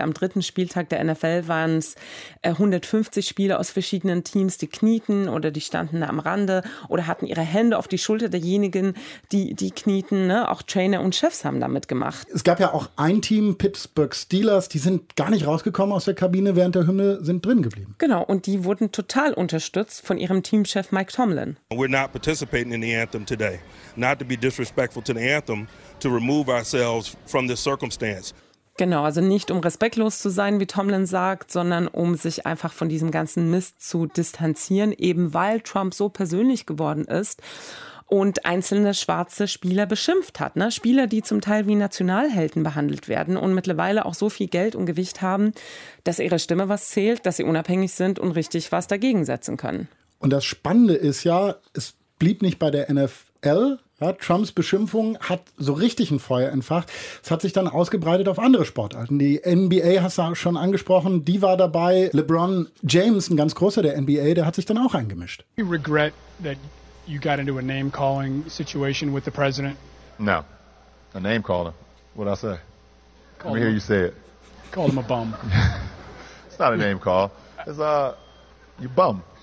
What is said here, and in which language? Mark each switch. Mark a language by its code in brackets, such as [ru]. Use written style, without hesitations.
[de] Am dritten Spieltag der NFL waren es 150 Spieler aus verschiedenen Teams, die knieten oder die standen am Rande oder hatten ihre Hände auf die Schulter derjenigen, die knieten. Ne? Auch Trainer und Chefs haben damit gemacht. Es gab ja auch ein Team, Pittsburgh Steelers, die sind gar nicht rausgekommen aus der Kabine, während der Hymne, sind drin geblieben. Genau, und die wurden total unterstützt von ihrem Teamchef Mike Tomlin. [en] We're not participating in the anthem today. Not to be disrespectful to the anthem, to remove ourselves from this circumstance. [de] Genau, also nicht um respektlos zu sein, wie Tomlin sagt, sondern um sich einfach von diesem ganzen Mist zu distanzieren, eben weil Trump so persönlich geworden ist und einzelne schwarze Spieler beschimpft hat. Ne? Spieler, die zum Teil wie Nationalhelden behandelt werden und mittlerweile auch so viel Geld und Gewicht haben, dass ihre Stimme was zählt, dass sie unabhängig sind und richtig was dagegen setzen können. Und das Spannende ist ja, es blieb nicht bei der NFL. Ja, Trumps Beschimpfung hat so richtig ein Feuer entfacht. Es hat sich dann ausgebreitet auf andere Sportarten. Die NBA hast du schon angesprochen, die war dabei. LeBron James, ein ganz großer der NBA, der hat sich dann auch eingemischt. [en] You regret that you got into a name-calling situation with the president? No. A name-caller. What did I say? Let me hear you say it. Called him a bum. It's not a name-call. It's a... you bum.